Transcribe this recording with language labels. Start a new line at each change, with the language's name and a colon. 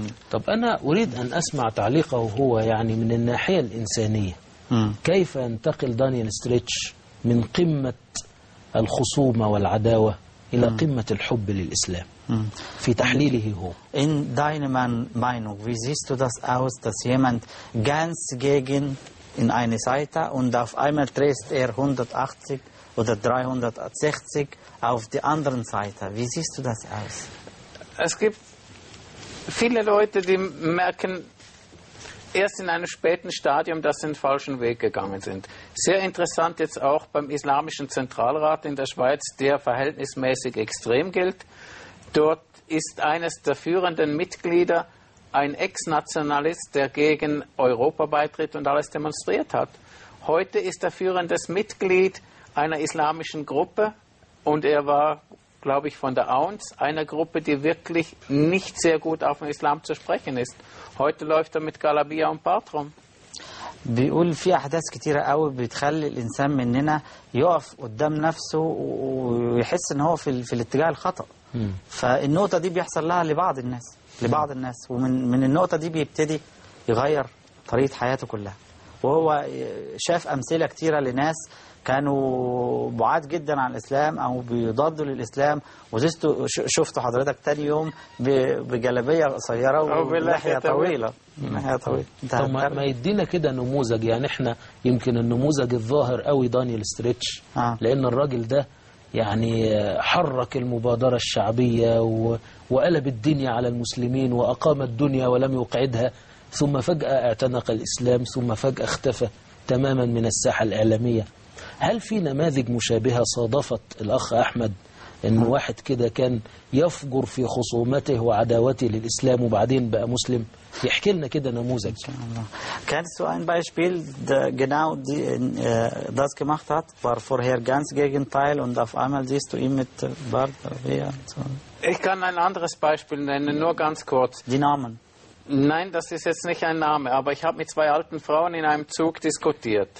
Arabic: طب أنا أريد أن أسمع تعليقه هو يعني من الناحية الإنسانية، كيف ينتقل دانيال ستريتش من قمة الخصومة والعداوة إلى قمة الحب للإسلام في تحليله هو؟
German: In deiner Meinung, wie siehst du das aus, dass jemand ganz gegen in eine Seite und auf einmal dreht er 180 oder 360 auf die anderen Seite? Wie siehst du das aus? Es gibt viele Leute, die merken erst in einem späten Stadium, dass sie einen falschen Weg gegangen sind. Sehr interessant jetzt auch beim Islamischen Zentralrat in der Schweiz, der verhältnismäßig extrem gilt. Dort ist eines der führenden Mitglieder ein Ex-Nationalist, der gegen Europa beitritt und alles demonstriert hat. Heute ist er führendes Mitglied einer islamischen Gruppe und er war, glaube ich, von der AUNS, einer Gruppe, die wirklich nicht sehr gut auf den Islam zu sprechen ist. Heute läuft er mit Galabia und Bart rum.
Arabic: بيقول في احداث كتيره قوي بتخلي الانسان مننا يقف قدام نفسه ويحس ان هو في الاتجاه الخطا. فالنقطه دي بيحصل لها لبعض الناس، لبعض الناس، ومن النقطه دي بيبتدي يغير طريقه حياته كلها. وهو شاف امثله كتيره لناس كانوا بعاد جدا عن الإسلام أو بيضادوا للإسلام، وشفتوا حضرتك تاني يوم بجلبية قصيرة ولحية طويلة. طب ما يدينا كده نموذج، يعني احنا يمكن النموذج الظاهر قوي دانيال ستريتش، لأن الراجل ده يعني حرك المبادرة الشعبية وقلب الدنيا على المسلمين وأقام الدنيا ولم يقعدها، ثم فجأة اعتنق الإسلام، ثم فجأة اختفى تماما من الساحة الإعلامية. هل في نماذج مشابهة صادفت الأخ أحمد، أن واحد كده كان يفجر في خصومته وعداوته للإسلام وبعدين بقى مسلم؟ يحكي لنا كده نموذج.
German: كان سو ein Beispiel, genau das gemacht hat, war vorher ganz gegenteil und auf einmal siehst du ihn mit Bart. Ich kann ein anderes Beispiel nennen, nur ganz kurz. Die Namen. Nein, das ist jetzt nicht ein Name, aber ich habe mit zwei alten Frauen in einem Zug diskutiert.